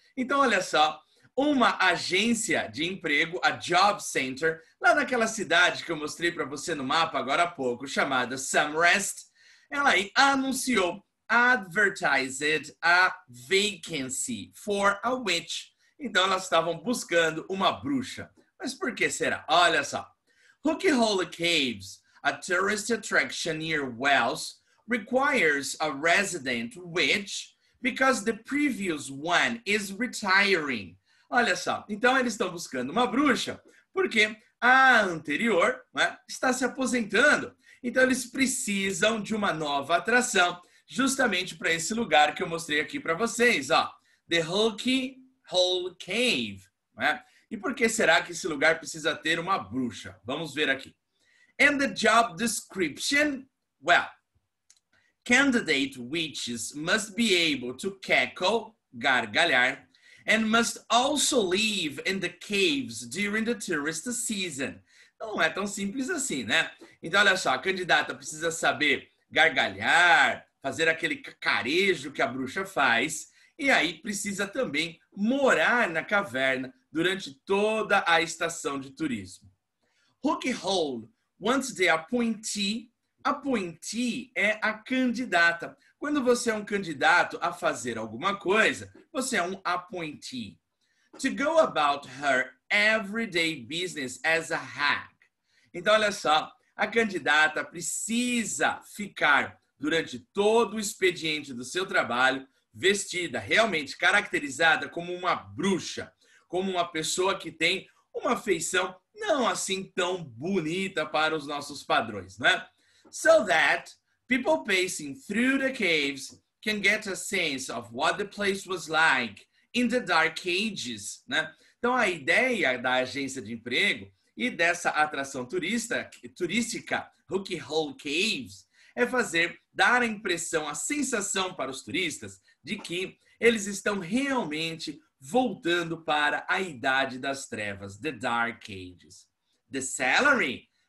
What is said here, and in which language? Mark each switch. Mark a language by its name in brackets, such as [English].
[Portuguese] Então, olha só, uma agência de emprego, [English] a job center, [Portuguese] lá naquela cidade que eu mostrei para você no mapa agora há pouco, chamada Somerset, ela aí anunciou, [English] advertised a vacancy for a witch. [Portuguese] Então, elas estavam buscando uma bruxa. Mas por que será? Olha só. [English] Hook Hole Caves, a tourist attraction near Wales, requires a resident witch because the previous one is retiring. [Portuguese] Olha só. Então eles estão buscando uma bruxa porque a anterior, né, está se aposentando. Então eles precisam de uma nova atração, justamente para esse lugar que eu mostrei aqui para vocês, ó. The Hook Hole Cave, né? E por que será que esse lugar precisa ter uma bruxa? Vamos ver aqui. [English] And the job description? Well, candidate witches must be able to cackle, [Portuguese] gargalhar, [English] and must also live in the caves during the tourist season. [Portuguese] Não é tão simples assim, né? Então, olha só, a candidata precisa saber gargalhar, fazer aquele carejo que a bruxa faz, e aí precisa também morar na caverna durante toda a estação de turismo. [English] Hook Hole wants the appointee. Appointee [Portuguese] é a candidata. Quando você é um candidato a fazer alguma coisa, você é um appointee. [English] To go about her everyday business as a hag. [Portuguese] Então, olha só, a candidata precisa ficar durante todo o expediente do seu trabalho vestida, realmente caracterizada como uma bruxa. Como uma pessoa que tem uma feição não assim tão bonita para os nossos padrões, né? [English] So that people passing through the caves can get a sense of what the place was like in the dark ages, né? [Portuguese] Então, a ideia da agência de emprego e dessa atração turística, Hook Hole Caves, é fazer dar a impressão, a sensação para os turistas de que eles estão realmente voltando para a Idade das Trevas, The Dark Ages. [English] The salary,